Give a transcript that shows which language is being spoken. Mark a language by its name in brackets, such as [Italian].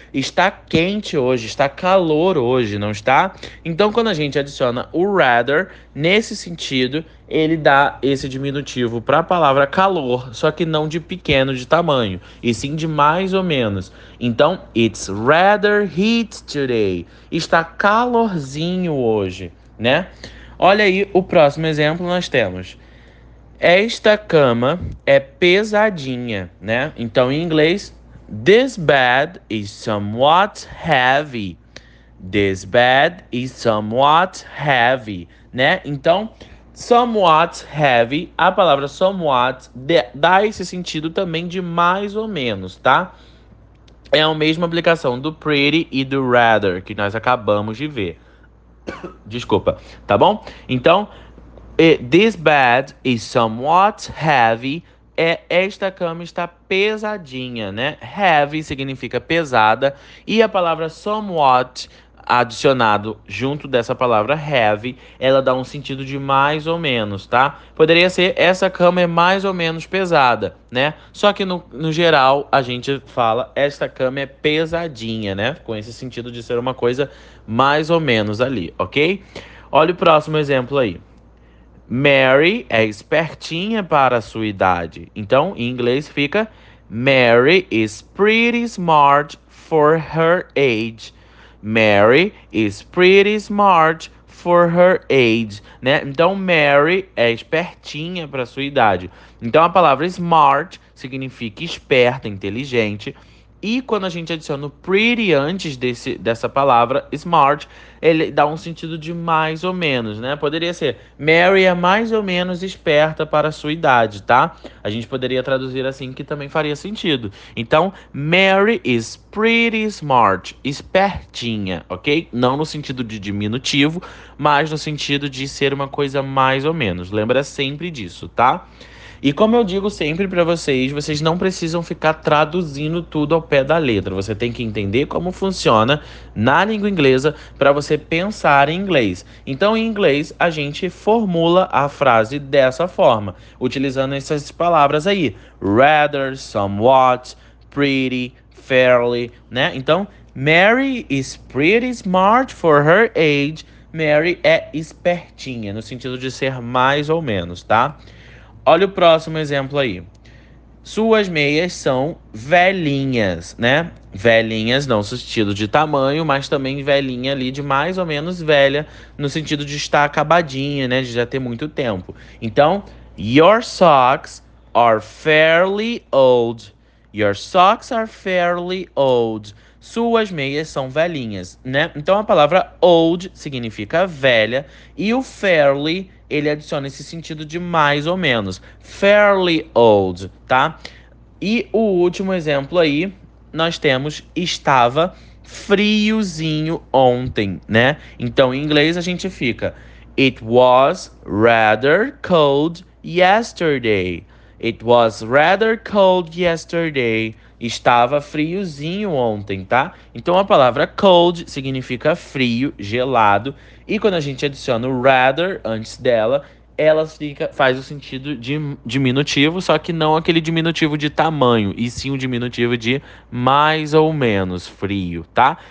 [Portuguese] Está quente hoje, está calor hoje, não está? Então, quando a gente adiciona o rather, nesse sentido, ele dá esse diminutivo para a palavra calor, só que não de pequeno de tamanho, e sim de mais ou menos. [English] Então, it's rather heat today. [Portuguese] Está calorzinho hoje, né? Olha aí o próximo exemplo nós temos. Esta cama é pesadinha, né? [English] Então, em inglês, This bed is somewhat heavy. This bed is somewhat heavy, né? [Portuguese] Então, somewhat heavy, a palavra somewhat dá esse sentido também de mais ou menos, tá? É a mesma aplicação do pretty e do rather que nós acabamos de ver. Desculpa, tá bom? [English] Então, This bed is somewhat heavy. [Portuguese] Esta cama está pesadinha, né? Heavy significa pesada. E a palavra somewhat, adicionado junto dessa palavra have, ela dá um sentido de mais ou menos, tá? Poderia ser essa cama é mais ou menos pesada, né? Só que no geral a gente fala esta cama é pesadinha, né? Com esse sentido de ser uma coisa mais ou menos ali, ok? Olha o próximo exemplo aí. Mary é espertinha para a sua idade. [English] Então, em inglês fica Mary is pretty smart for her age. Mary is pretty smart for her age, né? [Portuguese] Então, Mary é espertinha para sua idade. Então, a palavra smart significa esperta, inteligente. E quando a gente adiciona o pretty antes dessa palavra smart, ele dá um sentido de mais ou menos, né? Poderia ser Mary é mais ou menos esperta para a sua idade, tá? A gente poderia traduzir assim que também faria sentido. Então, Mary is pretty smart, espertinha, ok? Não no sentido de diminutivo, mas no sentido de ser uma coisa mais ou menos. Lembra sempre disso, tá? E como eu digo sempre para vocês, vocês não precisam ficar traduzindo tudo ao pé da letra. Você tem que entender como funciona na língua inglesa para você pensar em inglês. Então, em inglês, a gente formula a frase dessa forma, utilizando essas palavras aí: rather, somewhat, pretty, fairly, né? [English] Então, Mary is pretty smart for her age. [Portuguese] Mary é espertinha, no sentido de ser mais ou menos, tá? Olha o próximo exemplo aí. Suas meias são velhinhas, né? Velhinhas, não no sentido de tamanho, mas também velhinha ali de mais ou menos velha, no sentido de estar acabadinha, né? De já ter muito tempo. [English] Então, your socks are fairly old. Your socks are fairly old. [Portuguese] Suas meias são velhinhas, né? Então a palavra old significa velha e o fairly, ele adiciona esse sentido de mais ou menos. Fairly old, tá? E o último exemplo aí, nós temos estava friozinho ontem, né? [English] Então em inglês a gente fica It was rather cold yesterday. It was rather cold yesterday. [Portuguese] Estava friozinho ontem, tá? Então a palavra cold significa frio, gelado. E quando a gente adiciona o rather antes dela, ela fica, faz o sentido de diminutivo, só que não aquele diminutivo de tamanho, e sim o diminutivo de mais ou menos frio, tá?